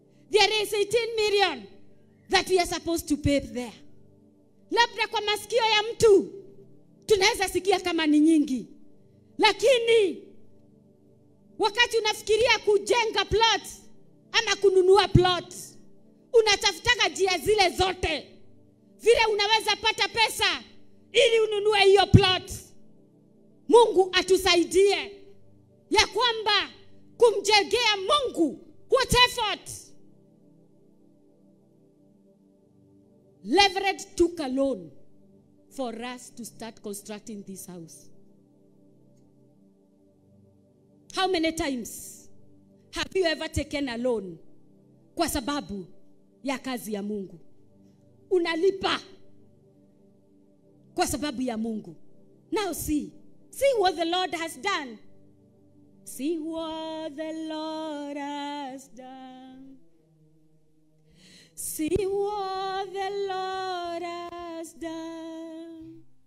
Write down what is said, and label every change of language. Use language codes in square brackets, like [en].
[en] There is 18 million that we are supposed to pay there. [sw] Labda kwa masikio ya mtu tunaweza sikia kama ni nyingi. Lakini wakati unafikiria kujenga plot ama kununua plot, unatafutaga njia zile zote vile unaweza pata pesa ili ununue hiyo plot. Mungu atusaidie ya kwamba kumjengea Mungu [en] what effort. Leverage took a loan for us to start constructing this house. How many times have you ever taken a loan [sw] kwa sababu ya kazi ya Mungu? Unalipa kwa sababu ya Mungu. [en] Now see what the Lord has done. See what the Lord has done. See what the Lord has done.